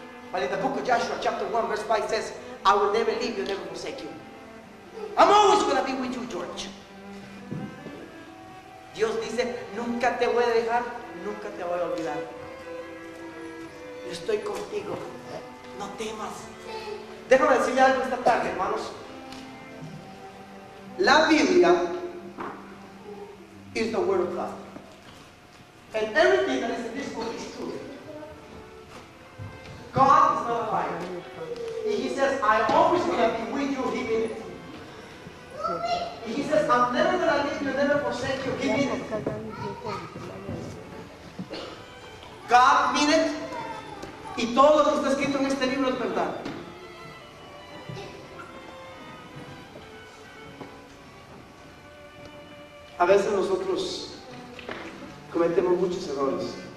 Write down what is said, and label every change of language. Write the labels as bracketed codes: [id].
[en] But in the book of Joshua, chapter 1, verse 5 says, I will never leave you, never forsake you. I'm always going to be with you, George. [es] Dios dice, nunca te voy a dejar, nunca te voy a olvidar. Yo estoy contigo. No temas. Déjame decirle algo esta tarde, hermanos. [en] La Biblia is the word of God. And everything that is in this book is true. God is not a liar. And he says, I always will be with you, he means it. And he says, I'm never going to leave you, never forsake you, he means it. God means it. [es] Y todo lo que está escrito en este libro es verdad. A veces nosotros cometemos muchos errores.